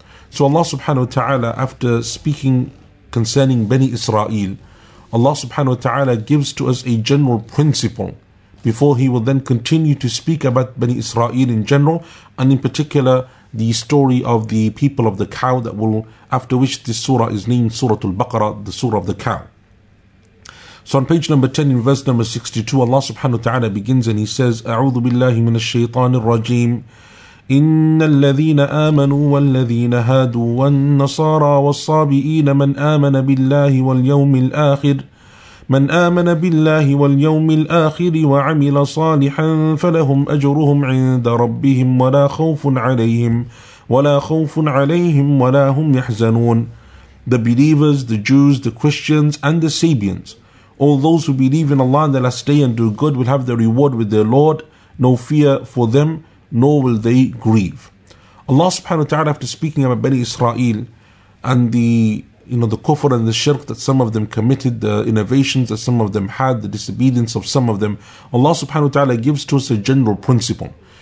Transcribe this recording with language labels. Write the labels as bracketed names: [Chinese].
[English] So Allah Subhanahu wa Ta'ala, after speaking concerning Bani Israel, Allah Subhanahu wa Ta'ala gives to us a general principle before He will then continue to speak about Bani Israel in general, and in particular the story of the people of the cow, that will, after which this surah is named Surah Al-Baqarah, the surah of the cow. So on page number 10 in verse number 62, Allah subhanahu wa ta'ala begins and He says, [Arabic] أعوذ بالله من الشيطان الرجيم إن الذين آمنوا والذين هادوا والنصارى والصابئين من آمن بالله واليوم الآخر من آمن بالله واليوم الآخر وعمل صالحا فلهم أجرهم عند ربهم ولا خوف عليهم ولا هم يحزنون. [English] The believers, the Jews, the Christians and the Sabians, all those who believe in Allah in the last day and do good will have their reward with their Lord. No fear for them, nor will they grieve. Allah subhanahu wa ta'ala, after speaking about Bani Israel and the kufr and the shirk that some of them committed, the innovations that some of them had, the disobedience of some of them, Allah subhanahu wa ta'ala gives to us a general principle.